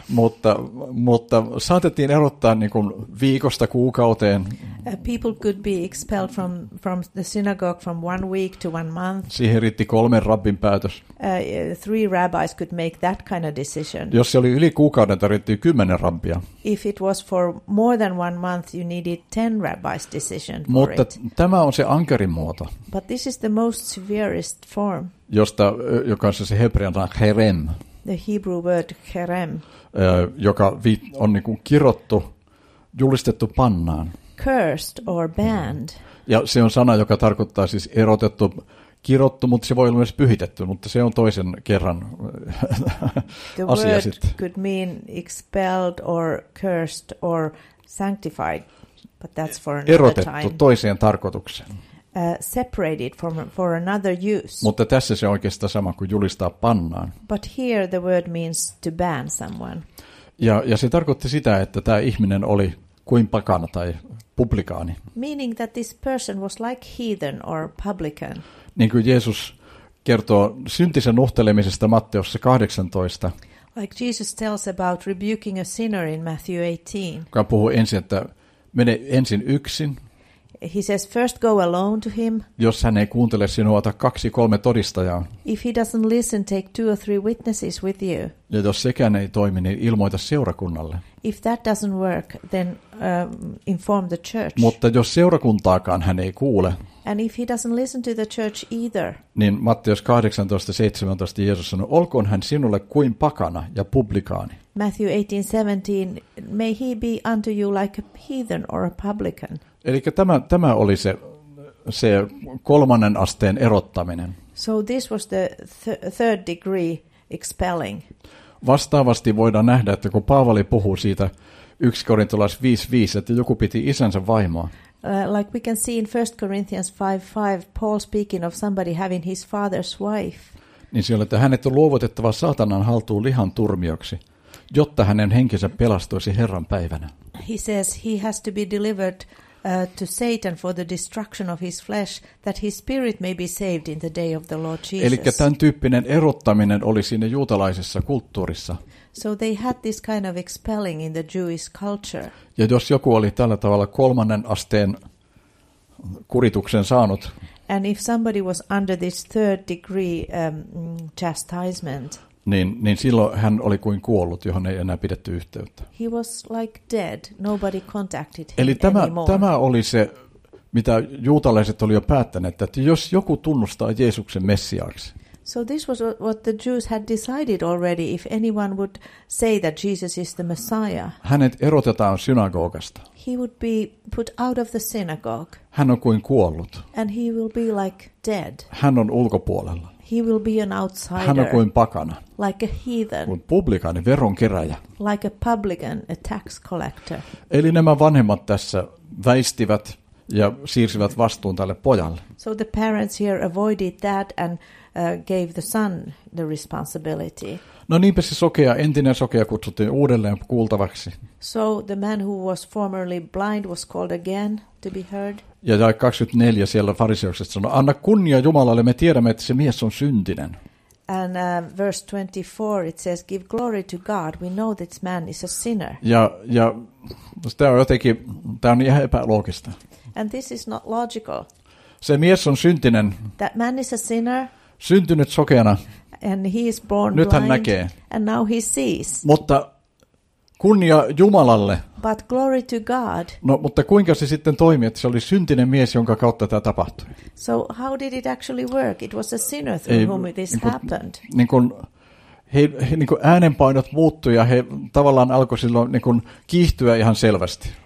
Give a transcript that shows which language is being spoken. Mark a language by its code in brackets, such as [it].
[fi] Mutta saatettiin erottaa niin kuin viikosta kuukauteen. [en] People could be expelled from the synagogue from 1 week to 1 month. [fi] Siihen riitti kolmen rabbin päätös. [en] Three rabbis could make that kind of decision. [fi] Jos se oli yli kuukauden, tarvittiin 10 rabbia. [en] If it was for more than 1 month, you needed 10 rabbis' decision. [fi] Mutta tämä on se ankerin muoto. [en] But this is the most severest form. [fi] Joka on se hebrean sana cherem. [en] The Hebrew word cherem. [fi] Joka on niin kuin kirottu, julistettu pannaan. [en] Cursed or banned. [fi] Ja se on sana, joka tarkoittaa siis erotettu, kirottu, mutta se voi olla myös pyhitetty, mutta se on toisen kerran [en] the [fi] asia [en] word [fi] sitten. [en] Could mean expelled or cursed or sanctified. But that's for another [fi] erotettu [en] time. [fi] Toiseen tarkoitukseen. [en] Separated for another use. [fi] Mutta tässä se on oikeastaan sama kuin julistaa pannaan. [en] But here the word means to ban someone. [fi] Ja se tarkoitti sitä, että tämä ihminen oli kuin pakana tai publikaani. [en] Meaning that this person was like heathen or publican. [fi] Niin kuin Jeesus kertoo syntisen nuhtelemisesta Matteossa 18. [en] Like Jesus tells about rebuking a sinner in Matthew 18. [fi] Joka puhuu ensin, että mene ensin yksin. [en] He says first go alone to him. [fi] Jos hän ei kuuntele sinua, ota 2-3 todistajaa. [en] If he doesn't listen, take 2 or 3 witnesses with you. [fi] Ja jos sekään ei toimi, niin ilmoita seurakunnalle. [en] If that doesn't work, then inform the church. [fi] Mutta jos seurakuntaakaan hän ei kuule. [en] And if he doesn't listen to the church either. [fi] Niin Matteus 18:17 Jeesus sanoi, olkoon hän sinulle kuin pakana ja publikaani. [en] Matthew 18:17, may he be unto you like a heathen or a publican. [fi] Eli tämä oli se kolmannen asteen erottaminen. [en] So this was the third degree expelling. [fi] Vastaavasti voidaan nähdä, että kun Paavali puhuu siitä 1 Korintolais 5:5, että joku piti isänsä vaimoa. [en] Like we can see in 1 Corinthians 5:5, Paul speaking of somebody having his father's wife. [fi] Niin siellä, että hänet on luovutettava saatanan haltuun lihan turmioksi, jotta hänen henkensä pelastuisi Herran päivänä. [en] He says he has to be delivered to Satan for the destruction of his flesh, that his spirit may be saved in the day of the Lord Jesus. [fi] Eli tämän tyyppinen erottaminen oli siinä juutalaisessa kulttuurissa. [en] So they had this kind of expelling in the Jewish culture. [fi] Ja jos joku oli tällä tavalla kolmannen asteen kurituksen saanut. [en] And if somebody was under this third degree chastisement. [fi] Niin silloin hän oli kuin kuollut, johon ei enää pidetty yhteyttä. [en] He was like dead. Nobody contacted him. [fi] Eli tämä oli se, mitä juutalaiset oli jo päättäneet, että jos joku tunnustaa Jeesuksen Messiaaksi. [en] So this was what the Jews had decided already, if anyone would say that Jesus is the Messiah. [fi] Hänet erotetaan synagogasta. [en] He would be put out of the synagogue. [fi] Hän on kuin kuollut. [en] And he will be like dead. [fi] Hän on ulkopuolella. [en] He will be an outsider. [fi] Hän on kuin pakana. [en] Like a heathen. [fi] Kuin publikaani, veronkeräjä. [en] Like a publican, a tax collector. [fi] Eli nämä vanhemmat tässä väistivät ja siirsivät vastuun tälle pojalle. [en] So the parents here avoided that and gave the son the responsibility. [fi] No niinpä se sokea, entinen sokea kutsuttiin uudelleen kuultavaksi. [en] So the man who was formerly blind was called again to be heard. [fi] Ja 24 siellä fariseukset sanoi, anna kunnia Jumalalle, me tiedämme, että se mies on syntinen. [en] And verse 24 it says, give glory to God, we know this man is a sinner. [fi] Ja tämä on jotenkin, tämä on ihan epäloogista. [en] And this is not logical. [fi] Se mies on syntinen. [en] That man is a sinner. [fi] Syntynyt sokeana. [en] And he is born [fi] nyt hän [en] blind, [fi] näkee. [en] And now he sees. [fi] Mutta kunnia Jumalalle. [en] But glory to God. [fi] No, mutta kuinka se sitten toimii, että se oli syntinen mies, jonka kautta tämä tapahtui? [en] So how did it actually work? It was a sinner through whom this happened. [fi] Niin kuin äänenpainot muuttui ja he tavallaan alkoi silloin niin kuin kiihtyä ihan selvästi.